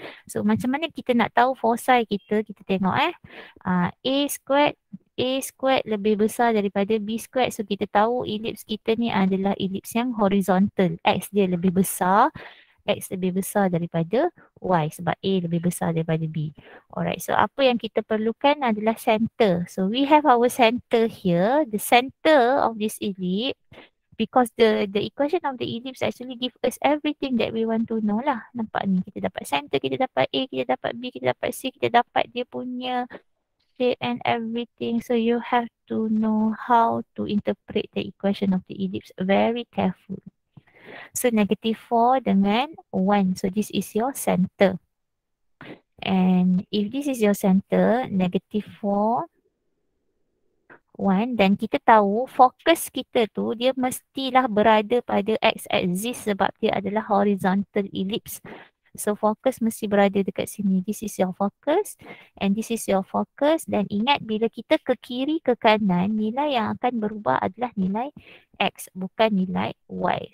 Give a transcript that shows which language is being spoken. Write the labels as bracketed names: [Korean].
[Malay] So macam mana kita nak tahu foci kita, kita tengok eh. A squared lebih besar daripada B squared. So, kita tahu elips kita ni adalah elips yang horizontal. X dia lebih besar. X lebih besar daripada Y sebab A lebih besar daripada B. [English] Alright. [Malay] So, apa yang kita perlukan adalah center. [English] So, we have our center here. The center of this elips. Because the equation of the elips actually give us everything that we want to know lah. [Malay] Nampak ni. Kita dapat center. Kita dapat A. Kita dapat B. Kita dapat C. Kita dapat dia punya [English] and everything. So you have to know how to interpret the equation of the ellipse very carefully. So negative 4 dengan 1. So this is your center. And if this is your center, negative 4, 1. [Malay] Dan kita tahu fokus kita tu dia mestilah berada pada x-axis sebab dia adalah horizontal ellipse. So, focus mesti berada dekat sini. [English] This is your focus and this is your focus. [Malay] Dan ingat bila kita ke kiri, ke kanan, nilai yang akan berubah adalah nilai X, bukan nilai Y.